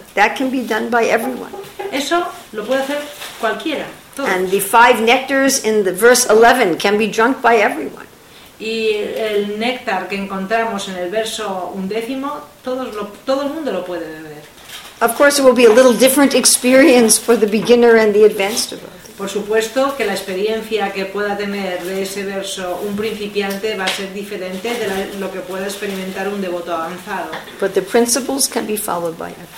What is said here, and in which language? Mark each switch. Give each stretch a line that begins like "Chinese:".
English: That can be done by everyone.
Spanish: Eso lo puede hacer cualquiera. Todos.
English: And the five nectars in the verse 11 can be drunk by everyone.
Spanish: Y el néctar que encontramos en el verso undécimo, todo el mundo lo puede beber.
English: Of course, it will be a little different experience for the beginner and the advanced devotee.
Spanish: Por supuesto que la experiencia que pueda tener de ese verso un principiante va a ser diferente de lo que pueda experimentar un devoto avanzado.
English: But the principles can be followed by it.